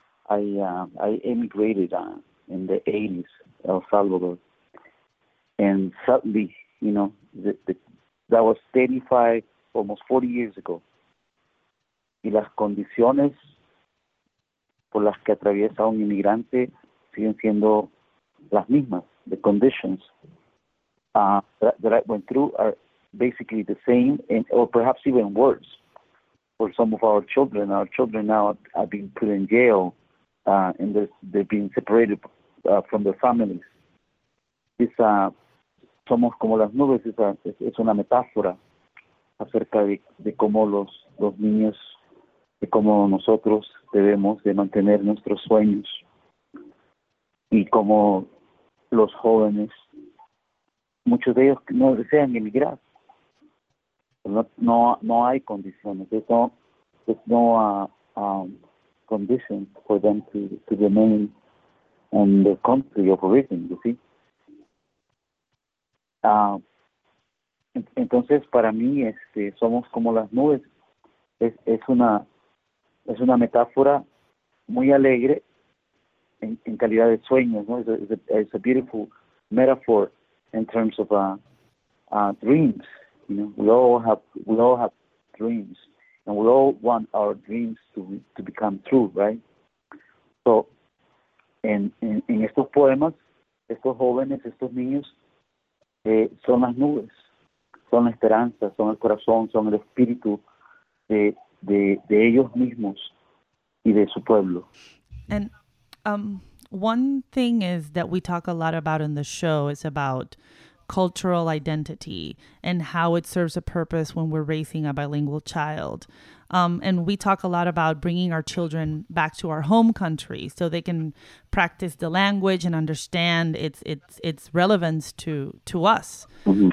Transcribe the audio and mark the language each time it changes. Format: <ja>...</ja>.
<en>I immigrated in the 80s, El Salvador, and suddenly, you know, that was 35, almost 40 years ago.</en> <es>Y las condiciones por las que atraviesa un inmigrante siguen siendo las mismas.</es> <en>The conditions that I went through are basically the same, and or perhaps even worse for some of our children. Our children now have been put in jail, and they're being separated from their families.</en> <es>This Somos Como Las Nubes es una metáfora acerca de cómo los niños, de cómo nosotros debemos de mantener nuestros sueños, y cómo los jóvenes, muchos de ellos no desean emigrar. No hay condiciones.</es> <en>There's no condition for them to remain in the country of origin, you see.</en> <es>Entonces, para mí, somos como las nubes. Es una metáfora muy alegre en calidad de sueños, ¿no?</es> <en>It's a beautiful metaphor in terms of dreams. You know, we all have dreams, and we all want our dreams to become true, right?</en> <es>So, en estos poemas, estos jóvenes, estos niños, son las nubes, son la esperanza, son el corazón, son el espíritu de ellos mismos y de su pueblo.</es> <en>And one thing is that we talk a lot about in the show is about cultural identity and how it serves a purpose when we're raising a bilingual child. And we talk a lot about bringing our children back to our home country so they can practice the language and understand its relevance to us. Mm-hmm.</en>